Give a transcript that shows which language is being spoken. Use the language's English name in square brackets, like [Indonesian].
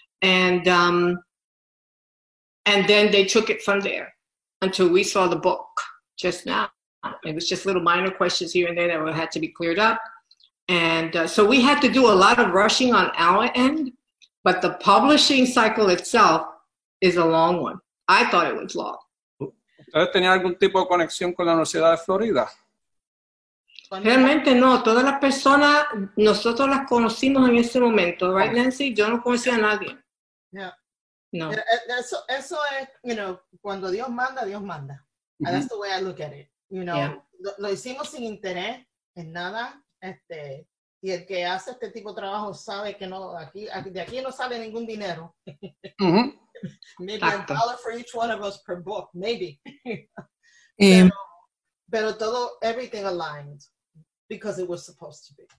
[English] And then they took it from there until we saw the book just now. It was just little minor questions here and there that had to be cleared up. And so we had to do a lot of rushing on our end, but the publishing cycle itself is a long one. I thought it was long. [Spanish] ¿Ustedes tenían algún tipo de conexión con la Universidad de Florida? Realmente no. Todas las personas, nosotros las conocimos en ese momento, right, Nancy? Yo no conocía a nadie. [English] Yeah. No. [Spanish] Eso es, [English] you know, [Spanish] cuando Dios manda, Dios manda. [English] Mm-hmm. That's the way I look at it. You know, yeah. [Spanish] Lo hicimos sin interés en nada. Y el que hace este tipo de trabajo sabe que no, de aquí no sale ningún dinero. Mm-hmm. [English] Maybe a dollar for each one of us per book, maybe. [Spanish] pero todo, [English] everything aligned because it was supposed to be.